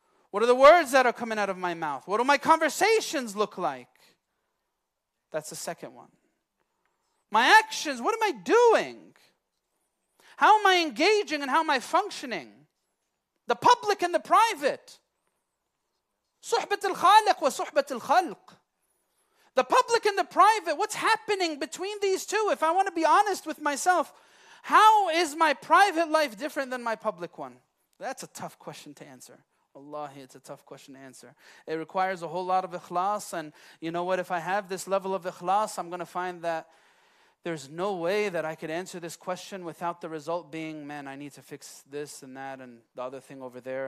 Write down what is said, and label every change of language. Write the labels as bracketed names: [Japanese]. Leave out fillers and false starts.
[English] What are the words that are coming out of my mouth? What do my conversations look like? That's the second one. My actions, what am I doing? How am I engaging and how am I functioning? The public and the private. [Arabic] صحبت الخالق وصحبت الخلق. [English] The public and the private, what's happening between these two? If I want to be honest with myself, how is my private life different than my public one? That's a tough question to answer. Wallahi, it's a tough question to answer. It requires a whole lot of ikhlas. And you know what? If I have this level of ikhlas, I'm going to find that there's no way that I could answer this question without the result being, man, I need to fix this and that and the other thing over there.